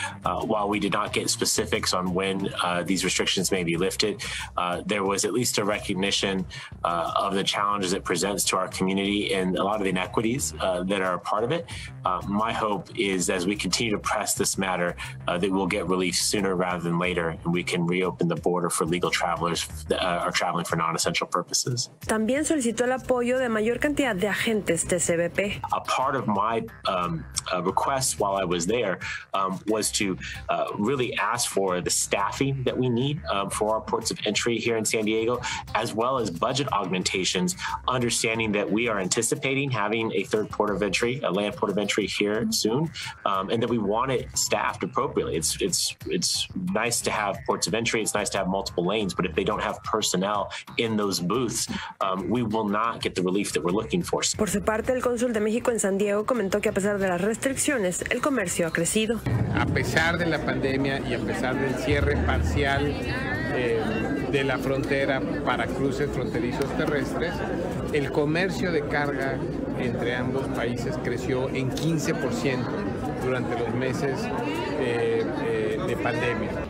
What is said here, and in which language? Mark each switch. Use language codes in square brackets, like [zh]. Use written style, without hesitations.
[en] While we did not get specifics on when these restrictions may be lifted, there was at least a recognition of the challenges it presents to our community and a lot of the inequities that are a part of it. My hope is as we continue to press this matter, that we'll get relief sooner rather than later, and we can reopen the border for legal travelers that are traveling for non-essential purposes. [es] También solicitó el apoyo de mayor cantidad de agentes de CBP. [en] A part of my request while I was there was to really ask for the staffing that we need for our ports of entry here in San Diego, as well as budget augmentations, understanding that we are anticipating having a third port of entry, a land port of entry here soon, and that we want it staffed appropriately. It's nice to have ports of entry, it's nice to have multiple lanes, but if they don't have personnel in those booths, we will not get the relief that we're looking for. [es] Por su parte, el cónsul de México en San Diego comentó que a pesar de las restricciones, el comercio ha crecido. A pesar de la pandemia y a pesar del cierre parcial de la frontera para cruces fronterizos terrestres, el comercio de carga entre ambos países creció en 15% durante los meses de pandemia.